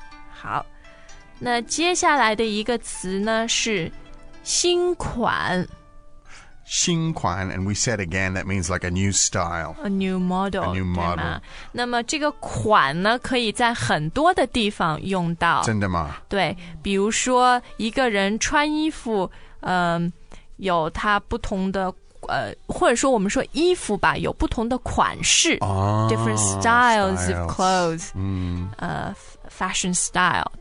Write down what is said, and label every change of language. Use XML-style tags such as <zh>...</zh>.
<zh>好，那接下来的一个词呢，是新款。</zh> <en>新款 and we said again that means like a new style a new model a new model</en> <zh>那么这个款呢可以在很多的地方用到真的吗对比如说一个人穿衣服、有他不同的或者说我们说衣服吧有不同的款式、</zh> <en>different styles of clothes、fashion style</en>